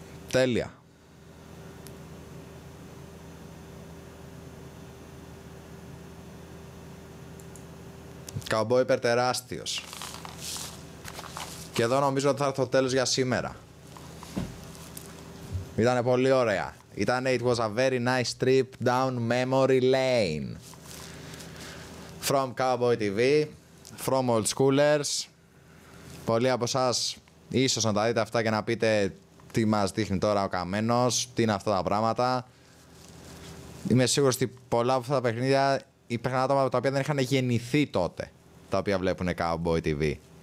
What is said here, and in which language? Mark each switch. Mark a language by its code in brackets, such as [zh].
[el] Τέλεια. Καμπό υπερτεράστιος. Και εδώ νομίζω ότι θα έρθω τέλος για σήμερα. Ήτανε πολύ ωραία. Ήτανε, [en] it was a very nice trip down memory lane. From Cowboy TV, from old schoolers. [el] Πολλοί από εσάς ίσως να τα δείτε αυτά και να πείτε τι μας δείχνει τώρα ο Καμένος, τι είναι αυτά τα πράγματα. Είμαι σίγουρος ότι πολλά από αυτά τα παιχνίδια υπήρχαν άτομα τα οποία δεν είχαν γεννηθεί τότε, τα οποία βλέπουν Cowboy TV.